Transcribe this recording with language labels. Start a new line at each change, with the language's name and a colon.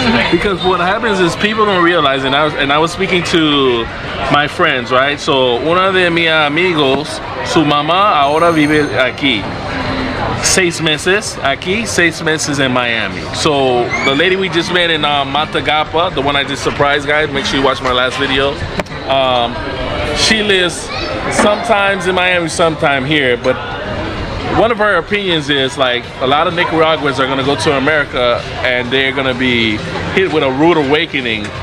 English: Because what happens is people don't realize, and I was speaking to my friends, right?
Spanish: So una de mis amigos, su mamá ahora vive aquí. 6 meses aquí, 6 meses
English: in Miami. So the lady we just met in Matagalpa, the one I just surprised, guys, make sure you watch my last video. She lives sometimes in Miami, sometime here, but one of her opinions is like a lot of Nicaraguans are gonna go to America and they're gonna be hit with a rude awakening.